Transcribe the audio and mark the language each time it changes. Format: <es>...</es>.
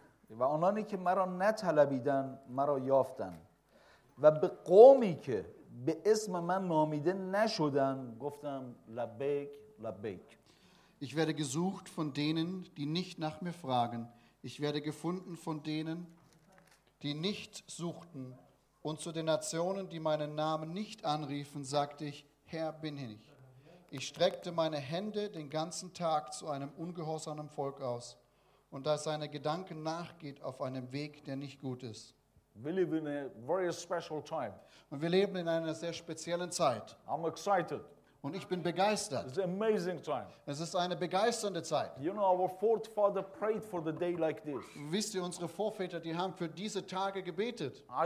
<fa>و آنانی که مرا نطلبیدند مرا یافتند و به قومی که به اسم من نامیده نشدند گفتم لبیک لبیک.</fa> <de>Ich werde gesucht von denen, die nicht nach mir fragen. Ich werde gefunden von denen, die nicht suchten. Und zu den Nationen, die meinen Namen nicht anriefen, sagte ich, Herr, bin ich. Ich streckte meine Hände den ganzen Tag zu einem ungehorsamen Volk aus. Und da seine Gedanken nachgeht auf einem Weg, der nicht gut ist.</de> <en>We live in a very special time.</en> <de>Und wir leben in einer sehr speziellen Zeit.</de> <en>I'm excited.</en> <de>Und ich bin begeistert.</de> <en>It's an amazing time.</en> <de>Es ist eine begeisternde Zeit.</de> <en>You know, our forefather prayed for the day like this.</en> <de>Wisst ihr, unsere Vorväter, die haben für diese Tage gebetet.</de>